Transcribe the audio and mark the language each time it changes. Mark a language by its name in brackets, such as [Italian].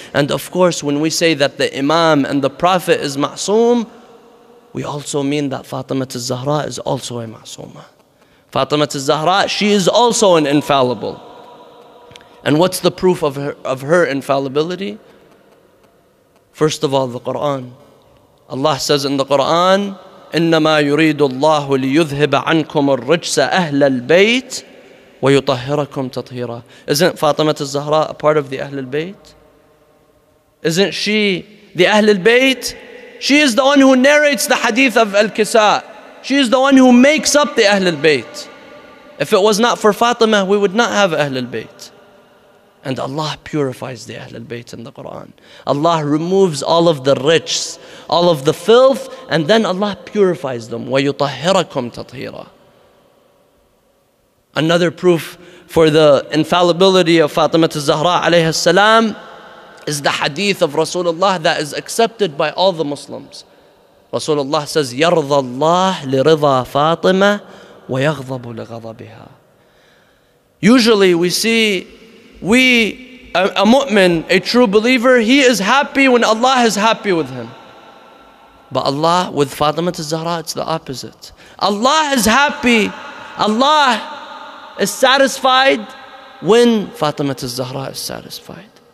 [English] And of course, when we say that the imam and the prophet is ma'soom, we also mean that Fatima al-Zahra is also a ma'soomah. Fatima al-Zahra, she is also an infallible. And what's the proof of her infallibility? First of all, the Quran. Allah says in the Quran, [Arabic] إِنَّمَا يُرِيدُ اللَّهُ لِيُذْهِبَ عَنْكُمُ الرِّجْسَ أَهْلَ الْبَيْتِ وَيُطَهِّرَكُمْ تَطْهِيرًا. [English] Isn't Fatima al-Zahra a part of the Ahlul Bayt? Isn't she the Ahlul Bayt? She is the one who narrates the hadith of Al-Kisa. She is the one who makes up the Ahlul Bayt. If it was not for Fatima, we would not have Ahlul Bayt. And Allah purifies the Ahlul Bayt in the Quran. Allah removes all of the riches, all of the filth, and then Allah purifies them. [Arabic] وَيُطَهِّرَكُمْ تَطْهِيرًا. [English] Another proof for the infallibility of Fatima al-Zahra alayhi salam is the hadith of Rasulullah that is accepted by all the Muslims. Rasulullah says, [Arabic] يرضى الله لرضى فاطمة ويغضب لغضبها. [English] Usually we see a mu'min, a true believer, he is happy when Allah is happy with him. But Allah, with Fatima al-Zahra, it's the opposite. Allah is happy. Allah is satisfied when Fatima al-Zahra is satisfied.